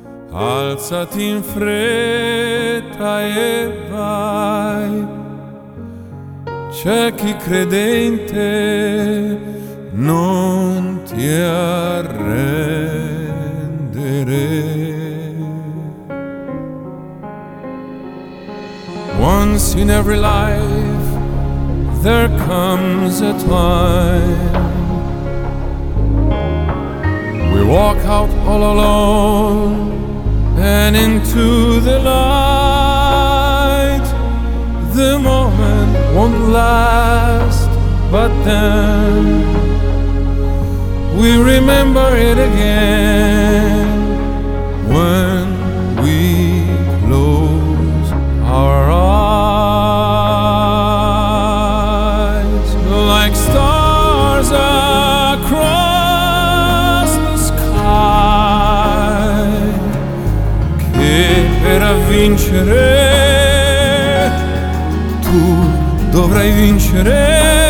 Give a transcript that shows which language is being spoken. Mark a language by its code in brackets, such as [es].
[it] Alzati in fretta e vai. C'è chi crede in te, non ti arrendere. [en] Once in every life there comes a time. We walk out all alone and into the light. The moment won't last, but then we remember it again when we close our eyes. Like stars across the sky, [it] che per vincere tu dovrai vincere.